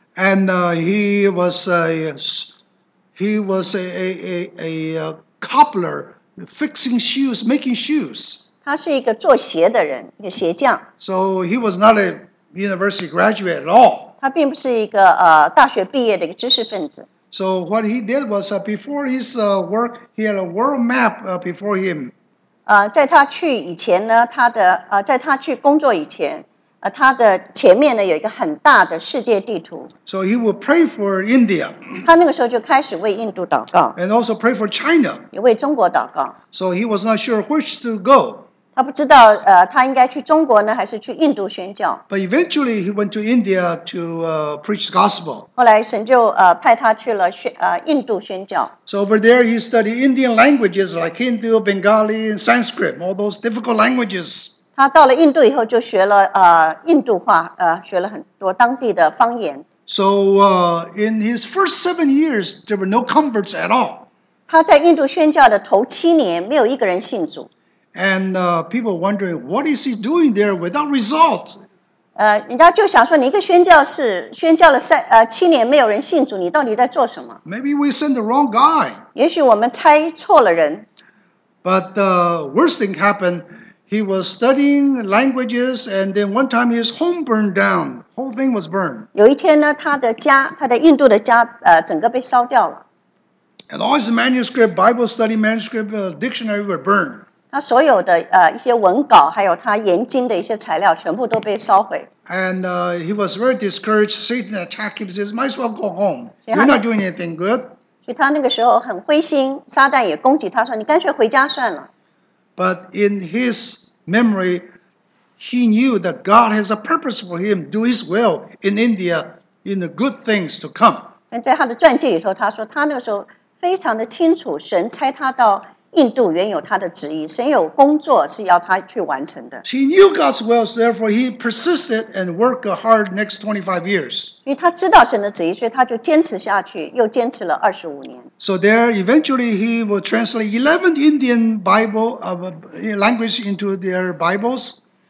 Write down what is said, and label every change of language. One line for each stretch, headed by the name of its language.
English: And he was a... He was a cobbler, fixing shoes, making shoes.
Chinese: 他是一个做鞋的人, 一个鞋匠。
English: So he was not a university graduate at all.
Chinese: 他并不是一个, 大学毕业的一个知识分子。
English: So what he did was, before his work, he had a world map before him.
Chinese: 在他去以前呢, 他的, 在他去工作以前, 他的前面呢, 有一个很大的世界地图。
English: So he will pray for India.
Chinese: 他那个时候就开始为印度祷告。
English: And also pray for China.
Chinese: 也为中国祷告。
English: So he was not sure which to go.
Chinese: 他不知道, 他应该去中国呢, 还是去印度宣教。
English: But eventually he went to India to preach gospel.
Chinese: 后来神就, 派他去了宣, 印度宣教。
English: So over there he studied Indian languages like Hindu, Bengali, and Sanskrit, all those difficult languages.
Chinese: 他到了印度以后就学了, 印度话, 学了很多当地的方言。
English: So in his first 7 years, there were no converts at all.
Chinese: 他在印度宣教的头七年, 没有一个人信主。
English: And people wondering, what is he doing there without result?
Chinese: 人家就想说, 你一个宣教士, 宣教了三, 七年, 没有人信主, 你到底在做什么?
English: Maybe we sent the wrong guy.
Chinese: 也许我们猜错了人。
English: But the worst thing happened, he was studying languages, and then one time his home burned down. Whole thing was burned.
Chinese: 有一天呢, 他的家, 他的印度的家, 整个被烧掉了。
English: And all his manuscript, Bible study manuscript, dictionary were burned.
Chinese: 他所有的, 一些文稿, 还有他研经的一些材料全部都被烧毁。
English: And he was very discouraged. Satan attacked him. He says, might as well go home. You're not doing anything good.
Chinese: 所以他那个时候很灰心, 撒旦也攻击他, 说, 你干脆回家算了。
English: But in his memory, he knew that God has a purpose for him to do his will in India in the good things to come.
Chinese: 在他的传记里头, 他说他那个时候非常的清楚, 神差他到印度原有他的旨意, 神有工作是要他去完成的。
English: He knew God's will, so therefore he persisted and worked hard next 25 years.
Chinese: 因为他知道神的旨意, 所以他就坚持下去, 又坚持了25年。
English: So there, eventually, he will translate 11 Indian Bible of language into their Bibles.